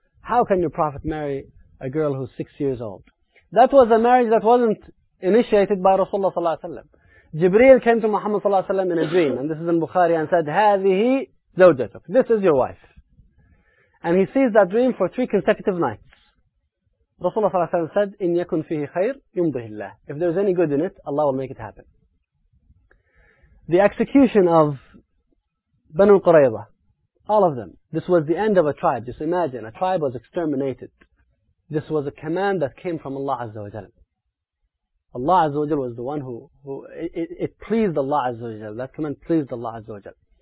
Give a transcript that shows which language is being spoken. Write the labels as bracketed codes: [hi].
[en] How can your Prophet marry a girl who's 6 years old? That was a marriage that wasn't initiated by Rasulullah sallallahu alaihi wasallam. Jibreel came to Muhammad صلى الله عليه وسلم in a dream, and this is in Bukhari, and said, [ar] هذه زوجتك, [en] this is your wife. And he sees that dream for 3 consecutive nights. [ar] Rasulullah صلى الله عليه وسلم said, إن يكن فيه خير يمضيه الله. [en] If there is any good in it, Allah will make it happen. The execution of Banu Qurayza, all of them, this was the end of a tribe. Just imagine, a tribe was exterminated. This was a command that came from Allah عز وجل. Allah Azza wa Jal was the one who pleased Allah Azza wa Jal. That command pleased Allah Azza wa Jal.